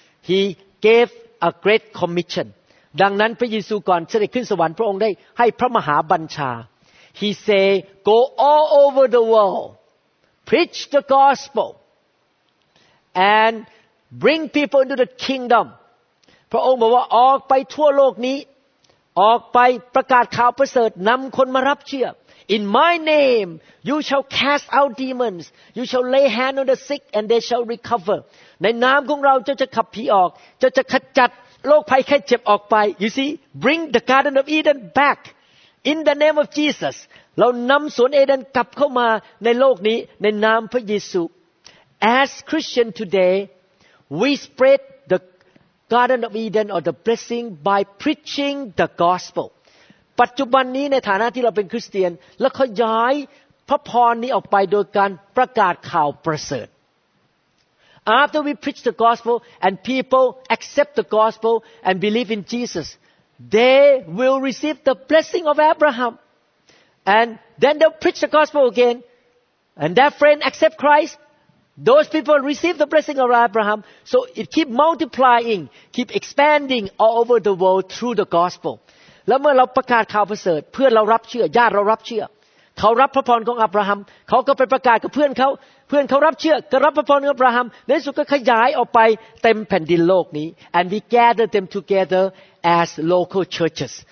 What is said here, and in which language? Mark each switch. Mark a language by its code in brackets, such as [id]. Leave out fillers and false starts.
[en] he gave a great commission [th] ดังนั้นพระเยซูก่อนเสด็จขึ้นสวรรค์พระองค์ได้ให้พระมหาบัญชา [en] He said go all over the world preach the gospel andBring people into the kingdom. [th] พระองค์บอกว่าออกไปทั่วโลกนี้ออกไปประกาศข่าวประเสริฐนำคนมารับเชื่อ [en] In my name, you shall cast out demons. You shall lay hand on the sick and they shall recover. [th] ในนามของเราเจ้าจะขับผีออกเจ้าจะขจัดโรคภัยไข้เจ็บออกไป [en] You see, bring the Garden of Eden back in the name of Jesus. [th] เรานำสวนเอเดนกลับเข้ามาในโลกนี้ในนามพระเยซู [en] As Christian today,We spread the Garden of Eden or the blessing by preaching the gospel. [th] ปัจจุบันนี้ในฐานะที่เราเป็นคริสเตียนแล้วขยายพระพรนี้ออกไปโดยการประกาศข่าวประเสริฐ [en] After we preach the gospel and people accept the gospel and believe in Jesus, they will receive the blessing of Abraham. And then they'll preach the gospel again. And their friend accept Christ. Those people receive the blessing of Abraham, so it keep multiplying, keep expanding all over the world through the gospel. [th] แล้วเมื่อเราประกาศข่าวประเสริฐเพื่อนเรารับเชื่อญาติเรารับเชื่อเขารับพระพรของอับราฮัมเขาก็ไปประกาศกับเพื่อนเขาเพื่อนเขารับเชื่อก็รับพระพรของอับราฮัมในสุดก็ขยายออกไปเต็มแผ่นดินโลกนี้ [en] and we gather them together as local churches.